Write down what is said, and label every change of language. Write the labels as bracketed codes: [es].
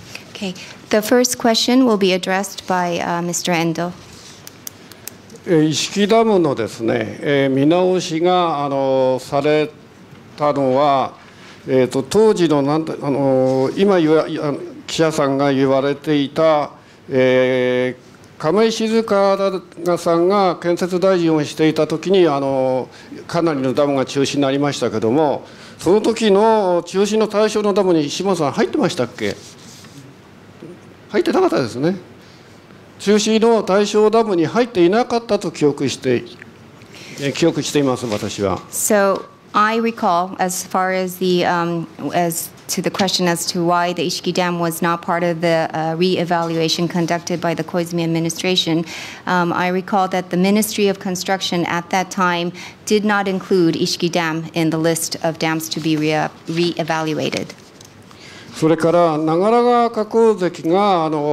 [en] Okay. The first question will be addressed by Mr. Endo. [ja] Ishiki Dam のですね、見直しがされたのは、当時の今言わ記者さんが言われていた、亀井静香さんが建設大臣をしていた時にかなりのダムが中止になりましたけれども、その時の中止の対象のダムに石破さん入ってましたっけ？入ってなかったですね。中止の対象ダムに入っていなかったと記憶しています、私は。 [en] So I recall, as far as the, as to the question as to why the Ishiki Dam was not part of the re-evaluation conducted by the Koizumi administration, I recall that the Ministry of Construction at that time did not include Ishiki Dam in the list of dams to be re-evaluated. [ja] それから長良川河口堰が